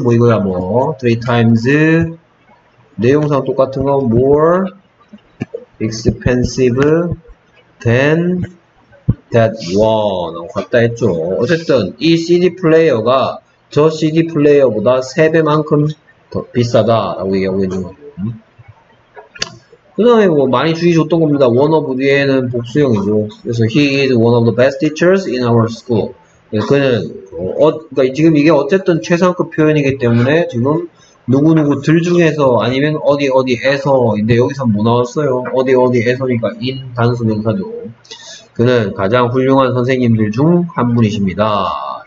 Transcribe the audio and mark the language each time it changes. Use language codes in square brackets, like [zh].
[ko] 뭐 이거야 뭐 [en] three times [ko] 내용상 똑같은 거 [en] more expensive than that one [ko] 같다 했죠. 어쨌든 이 CD 플레이어가 저 CD 플레이어보다 3배만큼 더 비싸다 라고 얘기하고 있는 거예요. 그 다음에 뭐 많이 주의 줬던 겁니다. [en] One of [ko] 뒤에는 복수형이죠. 그래서 [en] He is one of the best teachers in our school. [ko] 그래서 그는 그러니까 지금 이게 어쨌든 최상급 표현이기 때문에 지금 누구누구들 중에서 아니면 어디어디에서 근데 여기서는 뭐 나왔어요? 어디어디에서니까 in 단수 명사죠. 그는 가장 훌륭한 선생님들 중 한 분이십니다.